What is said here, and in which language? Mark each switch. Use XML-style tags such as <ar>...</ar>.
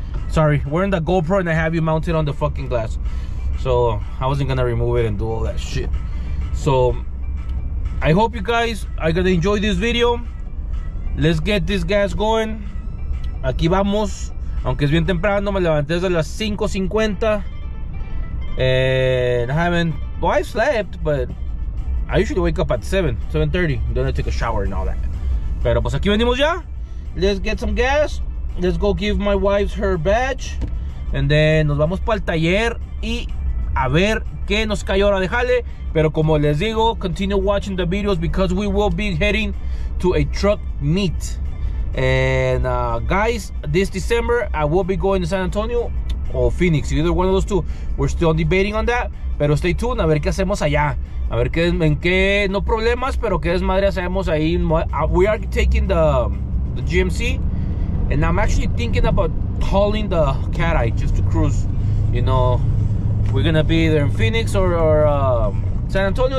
<en>Sorry, we're in the GoPro and I have you mounted on the fucking glass. So I wasn't gonna remove it and do all that shit. So I hope you guys are gonna enjoy this video. Let's get this gas going.</en> <es>Aquí vamos. Aunque es bien temprano, me levanté desde las 5:50.</es> <en>And I haven't, well, I slept, but I usually wake up at 7:30. Then I take a shower and all that.</en> <es>Pero pues aquí venimos ya.</es> <en>Let's get some gas. Let's go give my wife her badge. And then</en> <es>nos vamos para el taller y a ver qué nos cae ahora de jale. Pero como les digo,</es> <en>continue watching the videos because we will be heading to a truck meet. And guys, this December I will be going to San Antonio or Phoenix, either one of those two. We're still debating on that.</en> <es>Pero</es> <en>stay tuned,</en> <es>a ver qué hacemos allá. A ver qué, en qué, no problemas, pero qué desmadre hacemos ahí.</es> <en>We are taking the GMC. And I'm actually thinking about calling the Cat Eye just to cruise. You know, we're gonna be either in Phoenix or San Antonio.</en>